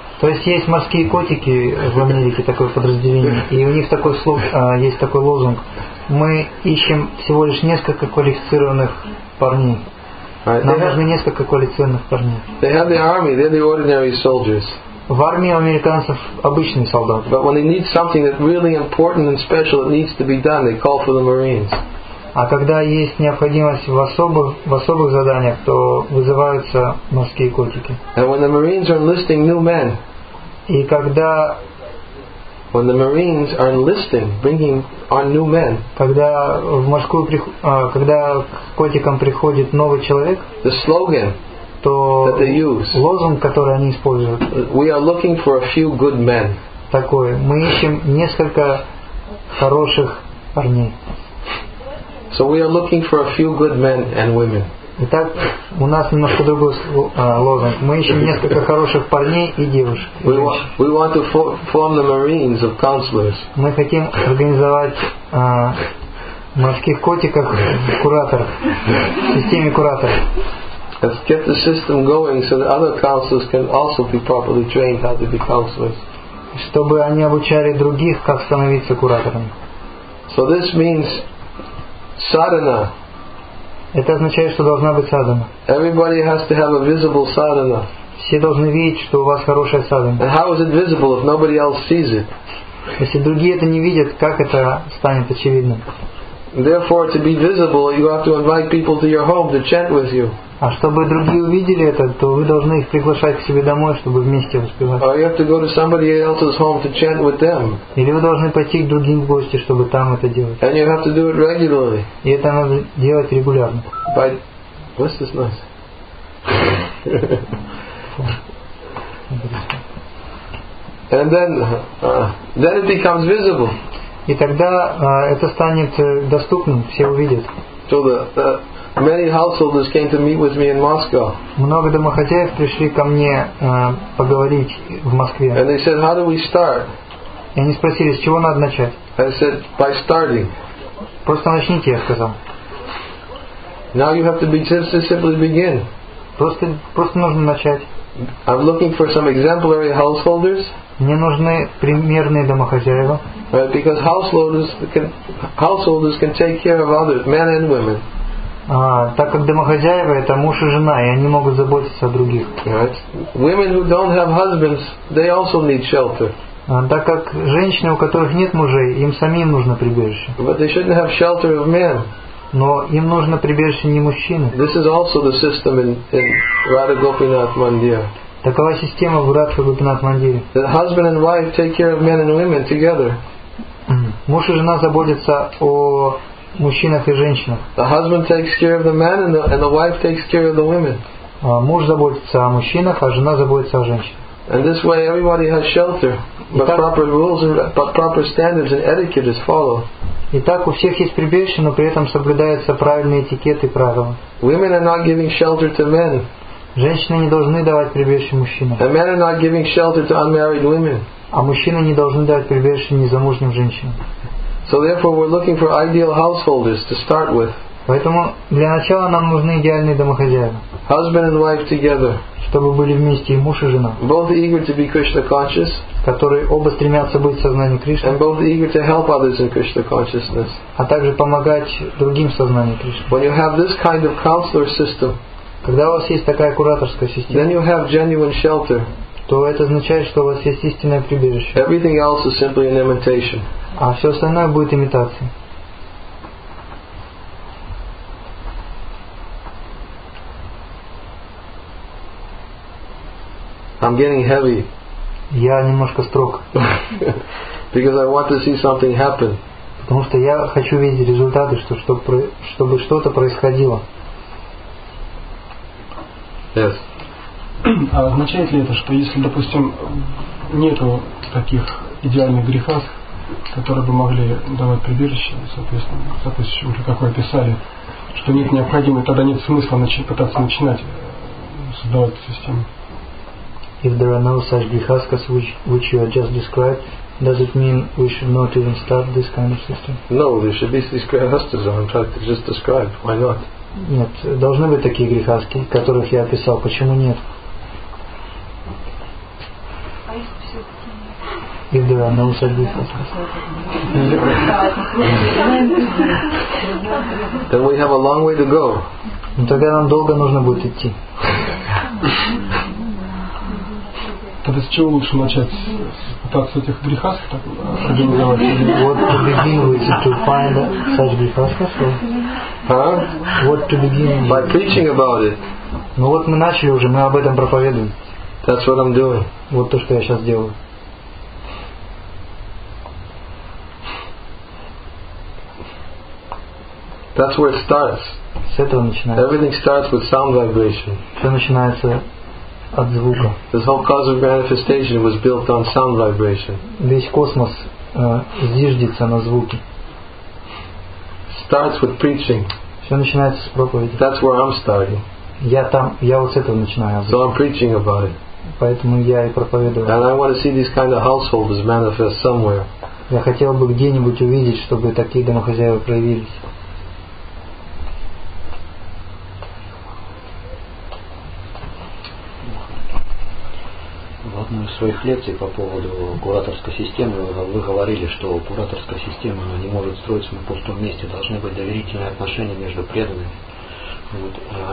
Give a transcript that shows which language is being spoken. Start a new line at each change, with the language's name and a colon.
Russian: То есть есть морские котики в Америке, такое подразделение, и у них такой есть такой лозунг. Мы ищем всего лишь несколько квалифицированных парней. Нам нужны несколько квалифицированных парней.
English: They have the army, they're the ordinary soldiers.
Russian: В армии у американцев обычный солдат.
English: But when they need something that really important and special, it needs to be done, they call for the Marines.
Russian: А когда есть необходимость в особых заданиях, то вызываются морские котики.
English: And when the Marines are enlisting new men.
Russian: И когда
English: when the Marines are enlisting, bringing on new men.
Russian: Когда к котикам приходит новый человек.
English: The slogan that they use.
Russian: Лозунг, который они используют.
English: We are looking for a few good men.
Russian: Такое. Мы ищем несколько хороших парней.
English: So we are looking for a few good men and women.
Russian: Итак, у нас немножко другой лозунг. Мы ищем несколько хороших парней и девушек.
English: We want to form the Marines of counselors.
Russian: Мы хотим организовать морских котиков кураторов, системе кураторов.
English: Let's get the system going so that other counselors can also be properly trained how to be counselors.
Russian: Чтобы они обучали других, как становиться кураторами.
English: So this means sadhana.
Russian: Это означает, что должна быть садхана.
English: Everybody has to have a visible sadhana.
Russian: Все должны видеть, что у вас хорошая садхана.
English: And how is it visible if nobody else sees it?
Russian: Если другие это не видят, как это станет очевидным?
English: Therefore, to be visible, you have to invite people to your home to chant with you.
Russian: А чтобы другие увидели это, то вы должны их приглашать к себе домой, чтобы вместе воспевать.
English: Or you have to go to somebody else's home to chant with them.
Russian: Или вы должны пойти к другим в гости, чтобы там это делать.
English: And you have to do it regularly.
Russian: И это надо делать регулярно.
English: By... What's this noise? And then it becomes visible.
Russian: И тогда это станет доступным, все увидят.
English: So many householders came to meet with me in Moscow.
Russian: Много домохозяев пришли ко мне поговорить в Москве.
English: And they said, "How do we start?"
Russian: И они спросили, с чего надо начать?
English: I said, "By starting."
Russian: Просто начните, я сказал.
English: Now you have to be just simply begin.
Russian: Просто нужно начать.
English: I'm looking for some exemplary householders.
Russian: Мне нужны примерные домохозяева.
English: Right, because householders can take care of others, men and women.
Russian: Так как домохозяева это муж и жена, и они могут заботиться о других.
English: Right. Women who don't have husbands, they also need shelter.
Russian: Так как женщины, у которых нет мужей, им самим нужно прибежище.
English: But they shouldn't have shelter of men.
Russian: Но им нужно прибежище не мужчины.
English: This is also the system in Radha Gopinath Mandir.
Russian: Такова система в Радха Гопинат Мандире.
English: That husband and wife take care of men and women together.
Russian: Муж и жена заботятся о мужчинах и женщинах.
English: The husband takes care of the man and the wife takes care of the women.
Russian: Муж заботится о мужчинах, а жена заботится о женщинах.
English: And this way everybody has shelter, but proper rules and proper standards and etiquette is followed.
Russian: Итак, у всех есть прибежище, но при этом соблюдаются правильные этикеты и правила.
English: Women are not giving shelter to men.
Russian: Женщины не должны давать прибежище мужчинам.
English: And men are not giving shelter to unmarried women.
Russian: А мужчины не должны давать прибежище незамужним женщинам.
English: So therefore we're looking for ideal householders to start with.
Russian: Поэтому для начала нам нужны идеальные домохозяева.
English: Husband and wife together.
Russian: Чтобы были вместе и муж и жена.
English: Both eager to be Krishna conscious.
Russian: Которые оба стремятся быть в сознании Кришны.
English: And both eager to help others in Krishna consciousness.
Russian: А также помогать другим в сознании Кришны.
English: When you have this kind of counselor system.
Russian: Когда у вас есть такая кураторская система.
English: Then you have genuine shelter.
Russian: То это означает, что у вас есть истинное прибежище.
English: Everything else is simply an imitation.
Russian: А все остальное будет имитацией.
English: I'm getting heavy.
Russian: Я немножко строг.
English: Because I want to see something happen.
Russian: Потому что я хочу видеть результаты, чтобы что-то происходило.
English: Yes.
Russian: А означает ли это, что если, допустим, нету таких идеальных грехов, которые бы могли давать прибежище, соответственно, уже как вы описали, что нет необходимости, тогда нет смысла пытаться начинать создавать эту систему?
English: If there are no such grihas which you have just described, does it mean we should not even start this kind of system? No, there should be these grihas that I'm trying to just describe. Why not?
Russian: Нет, должны быть такие грихаски, которых я описал. Почему нет?
English: If there are no such grihas. Then we have a long way to go.
Russian: Тогда нам долго нужно будет идти. Тогда с чего лучше начать? Пытаться этих грехасков так организовать?
English: What to begin with? To find such грехасков? What to begin with? By preaching about it.
Russian: Ну вот мы начали уже, мы об этом проповедуем.
English: That's what I'm doing.
Russian: Вот то, что я сейчас делаю.
English: That's where it starts.
Russian: С этого начинается.
English: Everything starts with sound vibration.
Russian: Все начинается... от звука.
English: This whole cause of manifestation was built on sound vibration.
Russian: Весь космос зиждется на звуке.
English: Starts with preaching.
Russian: Все начинается с проповеди.
English: That's where I'm starting.
Russian: Я вот с этого начинаю.
English: So I'm preaching about it.
Russian: Поэтому я и проповедую.
English: And I want to see these kind of households manifest somewhere.
Russian: Я хотел бы где-нибудь увидеть, чтобы такие домохозяева проявились. В своих лекциях по поводу кураторской системы вы говорили, что кураторская система она не может строиться на пустом месте, должны быть доверительные отношения между преданными. Вот.